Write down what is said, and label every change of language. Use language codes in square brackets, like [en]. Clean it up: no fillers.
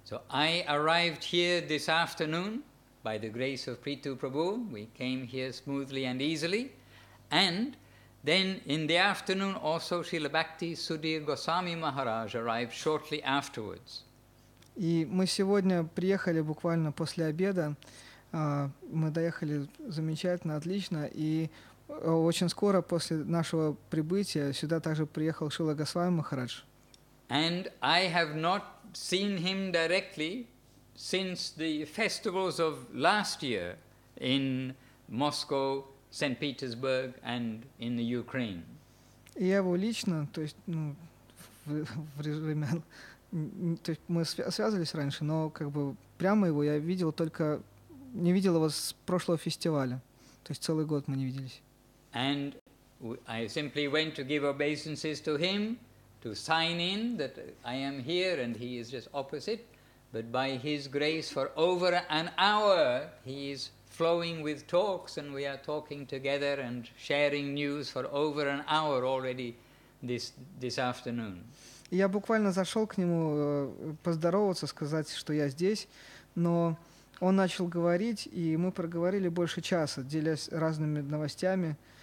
[en] So I arrived here this afternoon by the grace of Preetu Prabhu. We came here smoothly and easily. And then in the afternoon also Srila Bhakti Sudhir Goswami Maharaj arrived shortly afterwards. [ru] И мы сегодня приехали буквально после обеда. Мы доехали замечательно, отлично, и очень скоро после нашего прибытия сюда также приехал Шрила Госвами Махарадж. [en] And I have not seen him directly since the festivals of last year in Moscow, St. Petersburg and in the Ukraine. [ru] И я его лично, то есть, ну, в режиме, то есть мы связывались раньше, но как бы прямо его я видел только, не видел его с прошлого фестиваля, то есть целый год мы не виделись. [en] And I simply went to give obeisances to him, to sign in that I am here and he is just opposite. But by his grace, for over an hour, he is flowing with talks and we are talking together and sharing news for over an hour already this afternoon. [ru] Я буквально зашел к нему поздороваться, сказать, что я здесь, но он начал говорить, и мы проговорили больше часа, делясь разными новостями.